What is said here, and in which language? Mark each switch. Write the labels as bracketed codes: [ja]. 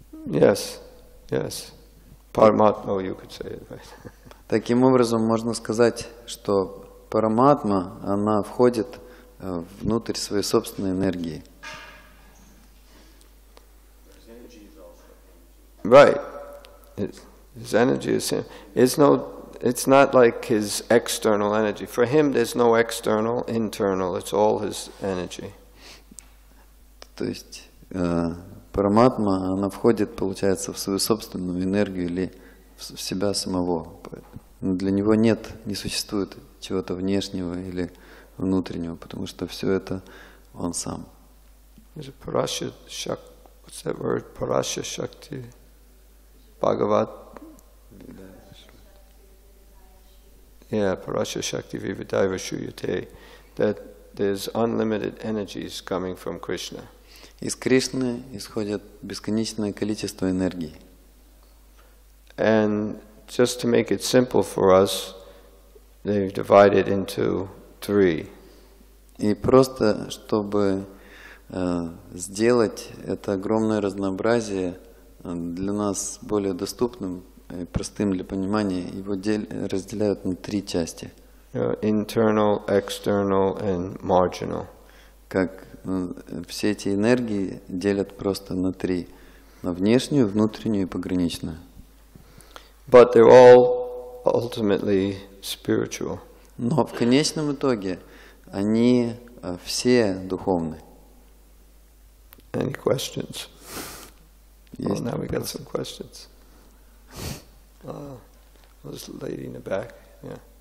[en] Yes, yes. Paramatma, you could say it. [ru] Таким образом, можно сказать, что Параматма, она входит внутрь своей собственной энергии. [en] Right. His energy is him. It's not like his external energy. For him, there's no external, internal. It's all his energy. [ru] То есть Параматма, она входит, получается, в свою собственную энергию или в себя самого. Для него нет, не существует чего-то внешнего или внутреннего, потому что все это он сам. [en] Is it Parashya Shakti? What's that word? Parashya Shakti? Bhagavat? Yeah, Parashya Shakti Vividaiva Shuyate. That there's unlimited energies coming from Krishna. [ru] Из Кришны исходит бесконечное количество энергии. [en] And just to make it simple for us, they've divided into three. [ru] И просто чтобы сделать это огромное разнообразие для нас более доступным и простым для понимания, его разделяют на три части. [en] Internal, external, and marginal. [ru] Как все эти энергии делят просто на три: на внешнюю, внутреннюю и пограничную. [en] But they're all ultimately spiritual. [ru] Но в конечном итоге они все духовны. [en] Any questions? Well, now we got some questions. This lady in the back, yeah.